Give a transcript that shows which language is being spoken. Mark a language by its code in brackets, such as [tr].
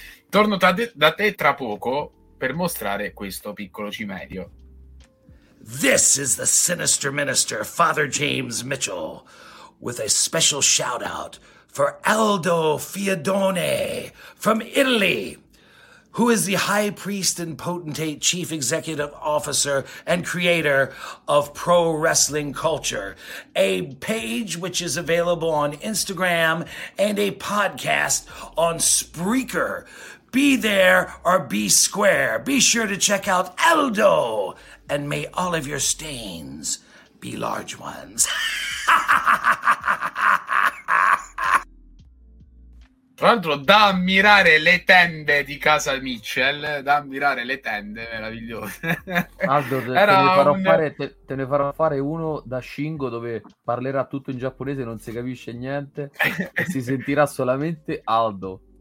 [it] Torno da te tra poco per mostrare questo piccolo cimelio. [en] This is the sinister minister, Father James Mitchell, with a special shout out for Aldo Fiadone from Italy, who is the high priest and potentate chief executive officer and creator of Pro Wrestling Culture, a page which is available on Instagram and a podcast on Spreaker. Be there or be square. Be sure to check out Aldo. And may all of your stains be large ones. [it] Tra l'altro, da ammirare le tende di casa Mitchell. Da ammirare le tende, meravigliose. Aldo, te ne farò fare uno da Shingo dove parlerà tutto in giapponese, non si capisce niente e si sentirà solamente Aldo.